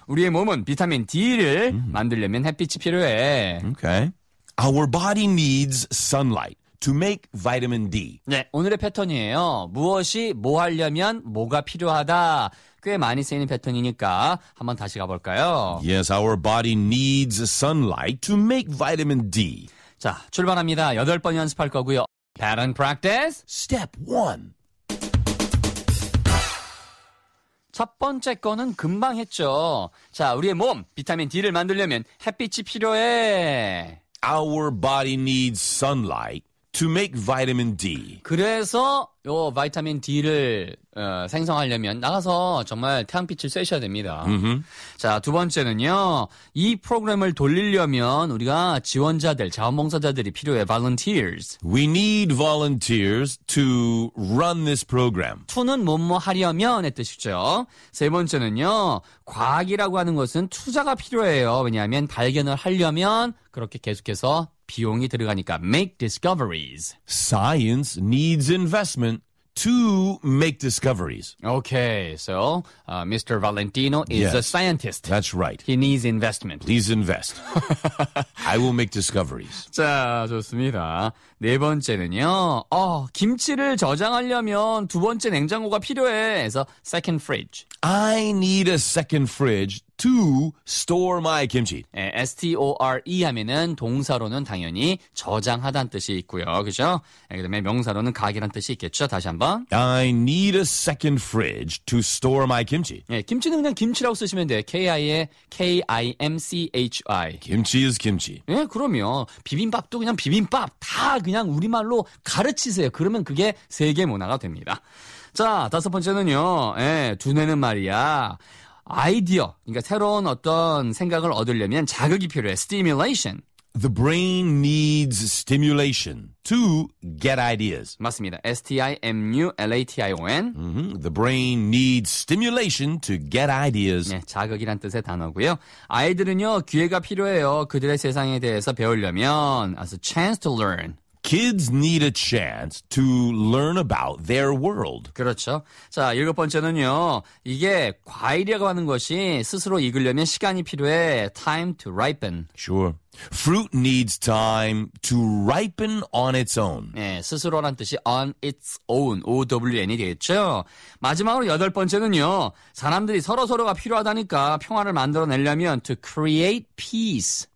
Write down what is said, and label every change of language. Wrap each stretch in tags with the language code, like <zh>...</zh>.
<ko>우리의 몸은 비타민 D를 만들려면 햇빛이 필요해.</ko> <en>Okay. Our body needs sunlight to make vitamin D.</en> <ko>네, 오늘의 패턴이에요. 무엇이 뭐 하려면 뭐가 필요하다. 꽤 많이 쓰이는 패턴이니까 한번 다시 가볼까요?</ko> <en>Yes, our body needs sunlight to make vitamin D.</en> <ko>자, 출발합니다. 여덟 번 연습할 거고요.</ko> <en>Pattern practice. Step one.</en> <ko>첫 번째 거는 금방 했죠. 자, 우리의 몸, 비타민 D를 만들려면 햇빛이 필요해.</ko> <en>Our body needs sunlight to make vitamin D.</en> <ko>그래서 요 비타민 D를 생성하려면 나가서 정말 태양빛을 쐬셔야 됩니다. Mm-hmm. 자, 두 번째는요. 이 프로그램을 돌리려면 우리가 지원자들, 자원봉사자들이 필요해.</ko> <en>Volunteers. We need volunteers to run this program.</en> <ko>투는 뭐뭐 하려면의 뜻이죠. 세 번째는요. 과학이라고 하는 것은 투자가 필요해요. 왜냐하면 발견을 하려면 그렇게 계속해서 비용이 들어가니까</ko> <en>make discoveries. Science needs investment to make discoveries. Okay, so Mr. Valentino is yes, a scientist. That's right. He needs investment. Please invest. I will make discoveries.</en> <ko>자, 좋습니다. 네 번째는요. 김치를 저장하려면 두 번째 냉장고가 필요해. 그래서 second fridge.</ko> <en>I need a second fridge to store my kimchi.</en> <ko>S-T-O-R-E 하면은 동사로는 당연히 저장하다는 뜻이 있고요. 그죠? 그 다음에 명사로는 가게란 뜻이 있겠죠. 다시 한번.</ko> <en>I need a second fridge to store my kimchi.</en> <ko>예, 김치는 그냥 김치라고 쓰시면 돼요.</ko> <en>K-I-M-C-H-I. Kimchi is kimchi.</en> <ko>예, 그럼요. 비빔밥도 그냥 비빔밥. 다 그냥 우리말로 가르치세요. 그러면 그게 세계 문화가 됩니다. 자, 다섯 번째는요. 예, 두뇌는 말이야. 아이디어, 그러니까 새로운 어떤 생각을 얻으려면 자극이 필요해.</ko> <en>Stimulation. The brain needs stimulation to get ideas.</en> <ko>맞습니다. S-T-I-M-U-L-A-T-I-O-N. Mm-hmm.</ko> <en>The brain needs stimulation to get ideas.</en> <ko>네, 자극이란 뜻의 단어고요. 아이들은요, 기회가 필요해요. 그들의 세상에 대해서 배우려면.</ko> <en>As a chance to learn. Kids need a chance to learn about their world.</en> <ko>그렇죠. 자, 일곱 번째는요. 이게 과일이라고 하는 것이 스스로 익으려면 시간이 필요해.</ko> <en>Time to ripen. Sure. Fruit needs time to ripen on its own.</en> <ko>네, 스스로란 뜻이</ko> <en>on its own,</en> <ko>O-W-N이 되겠죠. 마지막으로 여덟 번째는요. 사람들이 서로서로가 필요하다니까 평화를 만들어내려면</ko> <en>to create peace.</en>